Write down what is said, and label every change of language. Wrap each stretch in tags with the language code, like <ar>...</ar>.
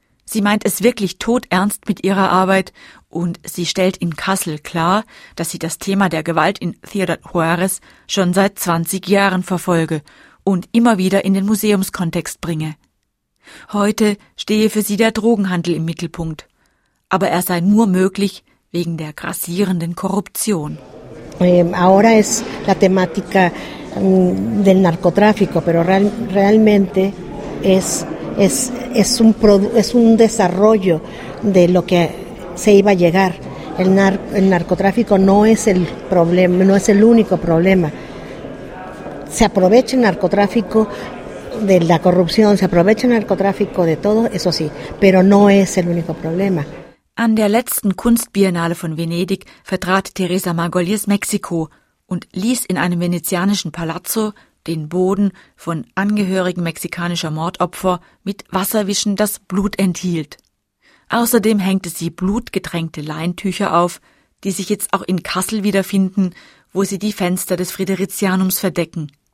<de>Sie meint es wirklich todernst mit ihrer Arbeit und sie stellt in Kassel klar, dass sie das Thema der Gewalt in Ciudad Juárez schon seit 20 Jahren verfolge und immer wieder in den Museumskontext bringe. Heute stehe für sie der Drogenhandel im Mittelpunkt. Aber er sei nur möglich wegen der grassierenden Korruption.</de> <es>Ahora es la temática del narcotráfico, pero realmente es un desarrollo de lo que se iba a llegar. El narcotráfico no es el problema, no es el único problema. Se aprovecha el narcotráfico de la corrupción, se aprovecha el narcotráfico de todo, eso sí, pero no es el único problema.</es> <de>An der letzten Kunstbiennale von Venedig vertrat Teresa Margolyes Mexiko und ließ in einem venezianischen Palazzo den Boden von Angehörigen mexikanischer Mordopfer mit Wasserwischen, das Blut enthielt. Außerdem hängte sie blutgetränkte Leintücher auf, die sich jetzt auch in Kassel wiederfinden, wo sie die Fenster des Fridericianums verdecken.</de>